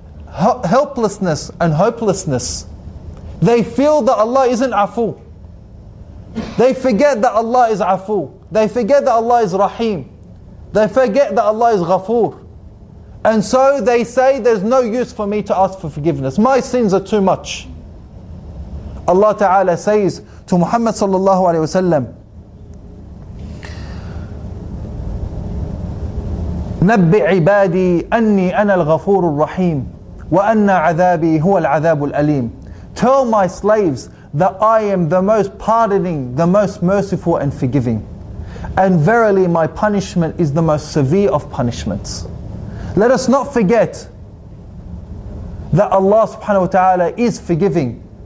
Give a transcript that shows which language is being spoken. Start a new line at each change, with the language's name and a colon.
English: Helplessness and hopelessness. They feel that Allah isn't afu. They forget that Allah is afu. They forget that Allah is rahim. They forget that Allah is ghafoor. And so they say, there's no use for me to ask for forgiveness. My sins are too much. Allah Ta'ala says to Muhammad sallallahu alayhi wa sallam,
Arabic: نَبِّ عِبَادِي أَنِّي أَنَا الْغَفُورُ الرَّحِيمُ وَأَنَّ عَذَابِي هُوَ الْعَذَابُ الْأَلِيمُ.
English: Tell my slaves that I am the most pardoning, the most merciful and forgiving. And verily my punishment is the most severe of punishments. Let us not forget that Allah subhanahu wa ta'ala is forgiving.